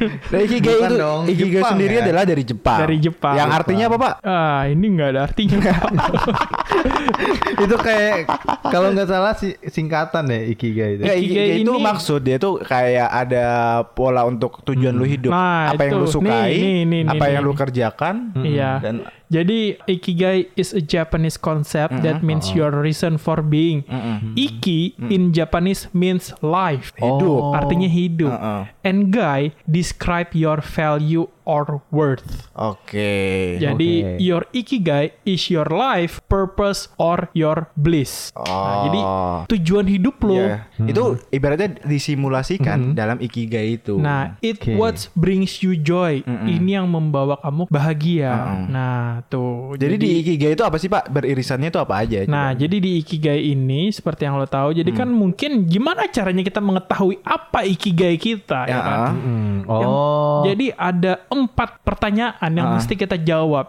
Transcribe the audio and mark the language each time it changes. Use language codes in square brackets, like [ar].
[id] Nah, ikigai itu dong, ikigai Jepang sendiri ya? Adalah dari Jepang. Dari Jepang. Yang artinya apa, Pak? Ah, ini enggak ada artinya. Itu kayak kalau enggak salah singkatan ya ikigai itu. Ikigai, ikigai ini... itu maksud dia tuh kayak ada pola untuk tujuan lu hidup, nah, apa itu. Yang lu sukai, nih, lu kerjakan, [en] dan jadi ikigai is a Japanese concept that means your reason for being. Iki in Japanese means life. [id] Hidup. [en] Artinya hidup. And gai describe your value or worth. Okay. Jadi your ikigai is your life, purpose or your bliss. [id] Nah, jadi tujuan hidup lo itu ibaratnya disimulasikan dalam ikigai itu. [en] Nah, it what brings you joy. [id] Ini yang membawa kamu bahagia. Nah, tuh. Jadi di ikigai itu apa sih, Pak? Beririsannya itu apa aja? Nah, jadi di ikigai ini seperti yang lo tahu, jadi kan mungkin gimana caranya kita mengetahui apa ikigai kita ya kan? Jadi ada 4 pertanyaan yang mesti kita jawab.